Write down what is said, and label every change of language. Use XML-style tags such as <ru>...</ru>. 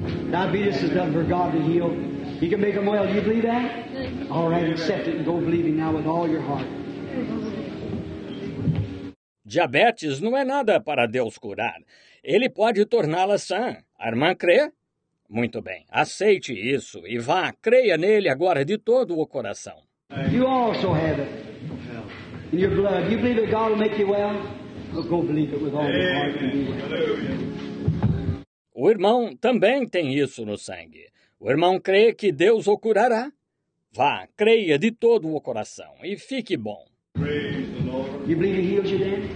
<en>Diabetes is done for God to heal. He can make him well. Do you believe that? All right, accept it and go believing now with all your heart.</en> <pt>Diabetes não é nada para Deus curar. Ele pode torná-la sã. A irmã crê? Muito bem. Aceite isso e vá. Creia nele agora de todo o coração.</pt> <en>You also have it in your blood. You believe that God will make you well? Go believe it with all your heart.</en> <pt>O irmão também tem isso no sangue. O irmão crê que Deus o curará. Vá, creia de todo o coração e fique bom.</pt> <en>You believe he healed you then?</en>